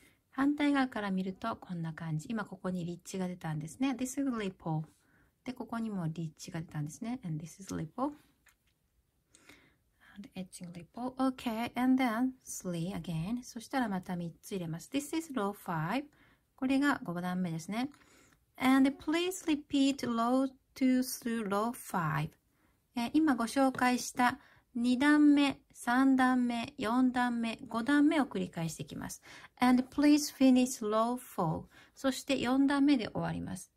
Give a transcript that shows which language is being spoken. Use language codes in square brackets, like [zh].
[ja] 反対側から見るとこんな感じ。今ここにリッチが出たんですね。 [en] This is ripple. [ja] で、ここにもリッチが出たんですね。 [en] And this is ripple. And etching ripple. Okay. And then three again. [ja] そしたらまた3つ入れます。 [en] This is row five. [ja] これが5段目ですね。 [en] And please repeat row two through row five. [ja] 今ご紹介した2段目、3段目、4段目、5段目を繰り返していきます。 [en] And please finish row 4. [ja] そして4段目で終わります。